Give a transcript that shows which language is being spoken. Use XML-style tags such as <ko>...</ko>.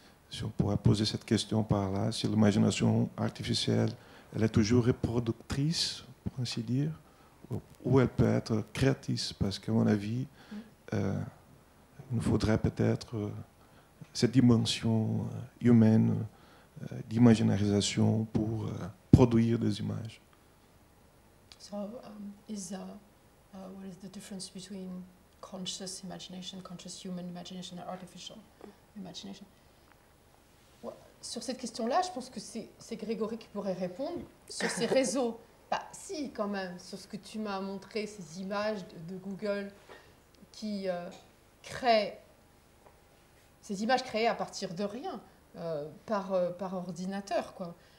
<fr>Si on pourrait poser cette question par là, si l'imagination artificielle, elle est toujours reproductrice, pour ainsi dire, ou elle peut être créatrice, parce qu'à mon avis, il nous faudrait peut-être cette dimension humaine d'imaginarisation pour produire des images.</fr> <en>So, what is the difference between conscious imagination, conscious human imagination, and artificial imagination?</en> <fr>Sur cette question-là, je pense que c'est Grégory qui pourrait répondre. Sur ces réseaux, bah, si, quand même, sur ce que tu m'as montré, ces images de Google qui créent, ces images créées à partir de rien, par ordinateur, quoi.</fr>